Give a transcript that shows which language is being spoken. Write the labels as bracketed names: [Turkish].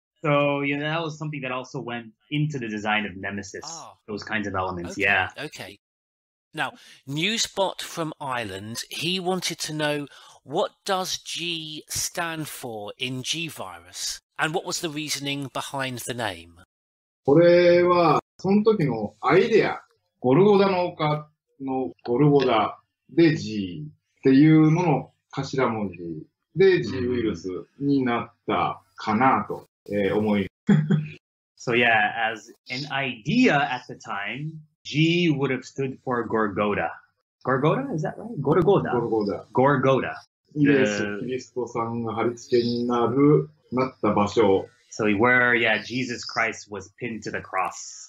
[English] So, you know, that was something that also went into the design of Nemesis, those kinds of elements, okay, yeah. Okay. Now, Newsbot from Ireland, he wanted to know, what does G stand for in G-Virus? And what was the reasoning behind the name? [Japanese] これは、その時のアイデア、ゴルゴダの丘のゴルゴダで G っていうのの頭文字で G-Virus になったかなと思い。 [English] So yeah, as an idea at the time,G would have stood for Gorgoda. Gorgoda? Is that right? Gorgoda. Gorgoda. Gorgoda. [Japanese] Yes, Kiristo san ga haritsuke ninaru, natta basho. [English] So where, yeah, Jesus Christ was pinned to the cross.